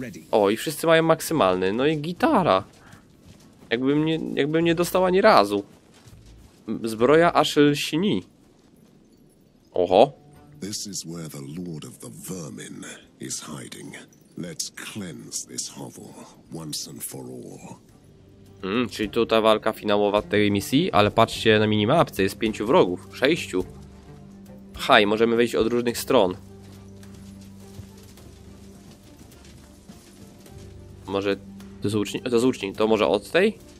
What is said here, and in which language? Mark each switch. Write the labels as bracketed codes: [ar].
[pl] O, i wszyscy mają maksymalny. No i gitara. Jakbym nie dostał ani razu. Zbroja Ashel Shini. Oho. [en] This is where the Lord of the Vermin is hiding. Let's cleanse this hovel once and for all. [pl] Czyli tu ta walka finałowa tej misji, ale patrzcie na minimapce, jest 5 wrogów, 6. Haj, możemy wejść od różnych stron. Może to jest łucznik, to może od tej?